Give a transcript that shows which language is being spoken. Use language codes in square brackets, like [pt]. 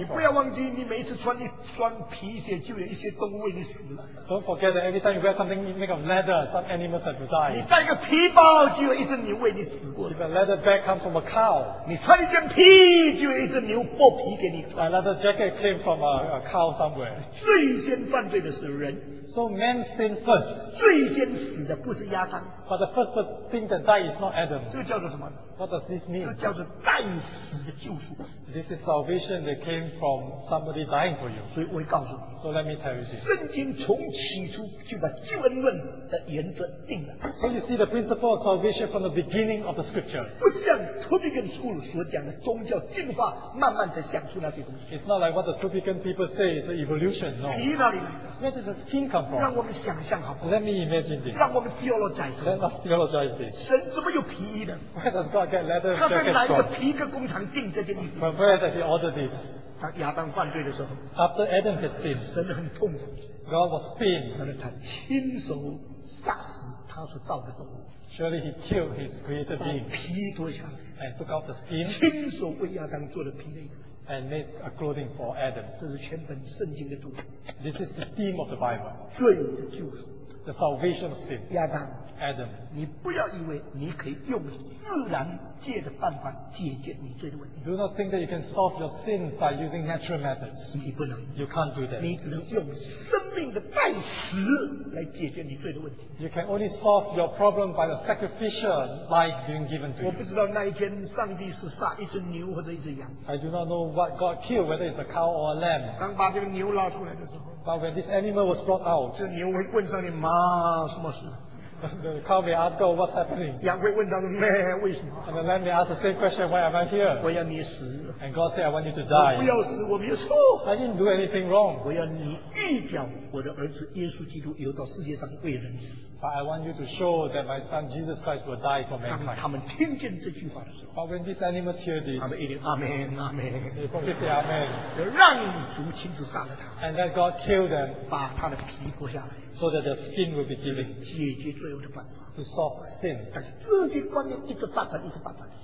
[zh] 你不要忘记，你每次穿一双皮鞋，就有一些动物为你死了。 [en] Don't forget that every time you wear something made of leather, some animals have to die. [zh] 你带个皮包，就有一只牛为你死过。 [en] If a leather bag comes from a cow, [zh] 你穿一件皮，就有一只牛剥皮给你。 [en] A leather jacket came from a cow somewhere. [zh] 最先犯罪的是人。 [en] So man sinned first. [zh] 最先死的不是亚当。 [en] But the first thing that died is not Adam. [zh] 这个叫做什么？ [en] What does this mean? [zh] 这叫做代死的救赎。 [en] This is salvation that came from somebody dying for you. [zh] 所以我会告诉你。 [en] So let me tell you this. [zh] 圣经从起初就把救恩论的原则定了。 [en] So you see the principle of salvation from the beginning of the scripture. [zh] 不像 Tubigan School 所讲的宗教进化，慢慢才想出那些东西。 [en] It's not like what the Tubigan people say is evolution. No. [zh] 皮哪里来的？ [en] Where does the skin come from? [zh] 让我们想象好不好？ [en] Let me imagine this. [zh] 让我们 [en] theologize. Let us theologize this. [zh] 神怎么有皮衣的？ [en] Where does God get leather jacket from? [zh] 他被哪一个皮革工厂订这件衣服？ [en] From where does he order this? [zh] 当亚当犯罪的时候， [en] After Adam had sinned, [zh] 神很痛苦。 [en] God was pained. [zh] 但是他亲手杀死他所造的动物。 [en] Surely he killed his created being. [zh] 把皮脱下来， [en] and took out the skin. [zh] 亲手为亚当做的皮内衣。 [en] And made a clothing for Adam. [zh] 这是全本圣经的主题。 [en] This is the theme of the Bible. [zh] 罪的救赎。 [en] The salvation of sin. [zh] 亚当。 [en] Adam, [zh] 你不要以为你可以用自然界的办法解决你罪的问题。 [en] Do not think that you can solve your sin by using natural methods. [zh] 你不能。 [en] You can't do that. [zh] 你只能用生命的代死来解决你罪的问题。 [en] You can only solve your problem by the sacrificial life being given to you. [zh] 我不知道那一天上帝是杀一只牛或者一只羊。 [en] I do not know what God killed, whether it's a cow or a lamb. [zh] 当把这个牛拉出来的时候。 [en] But when this animal was brought out, [zh] 这牛会问上帝妈什么事？ [en] The cow may ask God, what's happening? [zh] 羊会问他说，咩？为什么？ [en] And the lamb may ask the same question, why am I here? [zh] 我要你死。 [en] And God said, I want you to die. [zh] 我不要死，我没有错。 [en] I didn't do anything wrong. [zh] 我要你预表我的儿子耶稣基督有到世界上为人死。 [en] But I want you to show that my son Jesus Christ will die for mankind. [zh] 当他们听见这句话的时候， [en] But when these animals hear this, [zh] 他们一定Amen, Amen. [en] They probably say Amen. [zh] 要让主亲自杀了他。 [en] And let God kill them. [zh] 把他的皮剥下来。 [en] So that their skin will be given. [zh] 解决罪恶的办法。 [en] To solve sin. [zh] 但是这些观念一直发展，一直发展。